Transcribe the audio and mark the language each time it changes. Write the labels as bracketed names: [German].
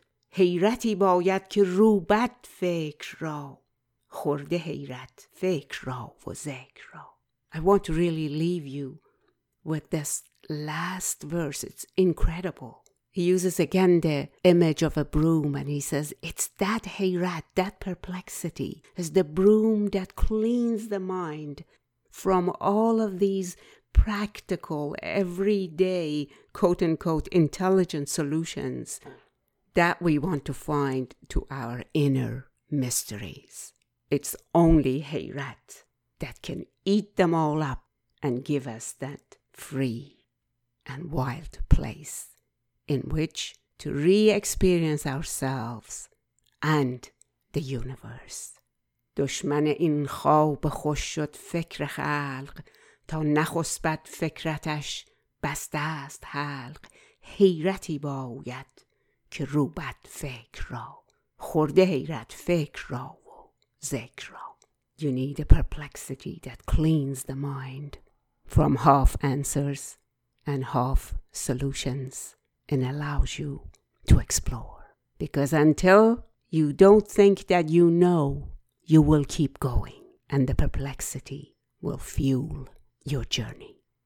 [Persian] حیرتی باید که روبد فکر را خورده حیرت فکر را و ذکر را. [English] I want to really leave you with this last verse. It's incredible. He uses again the image of a broom and he says, it's that حیرت, that perplexity, is the broom that cleans the mind from all of these practical, everyday, quote-unquote, intelligent solutions that we want to find to our inner mysteries. It's only Heyrat that can eat them all up and give us that free and wild place in which to re-experience ourselves and the universe. [Persian] دشمن این خواب خوش شد فکر خلق تا نخسپد فکرتش بسته است حلق. حیرتی باید که روبد فکر را خورده حیرت فکر را و ذکر را. [English] You need a perplexity that cleans the mind from half answers and half solutions and allows you to explore. Because until you don't think that you know, you will keep going and the perplexity will fuel your journey.